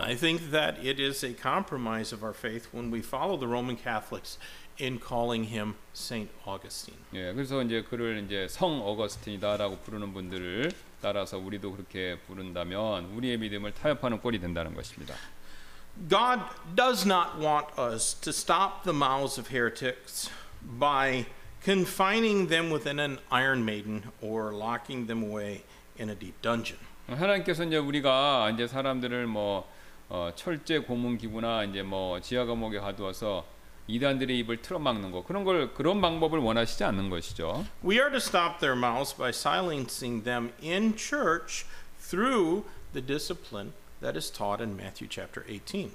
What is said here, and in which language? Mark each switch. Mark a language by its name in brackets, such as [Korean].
[English] I think that it is a compromise of our faith when we follow the Roman Catholics in calling him Saint Augustine. [Korean] 예, 그래서 이제 그를 이제 성 어거스틴이다라고 부르는 분들을 따라서 우리도 그렇게 부른다면 우리의 믿음을 타협하는 꼴이 된다는 것입니다. [English] God does not want us to stop the mouths of heretics by confining them within an iron maiden or locking them away in a deep dungeon. [Korean] 하나님께서 이제 우리가 이제 사람들을 뭐 철제 고문 기구나 이제 뭐 지하 감옥에 가두어서 이단들의 입을 틀어막는 거 그런 걸 그런 방법을 원하시지 않는 것이죠. [English] We are to stop their mouths by silencing them in church through the discipline that is taught in Matthew chapter 18.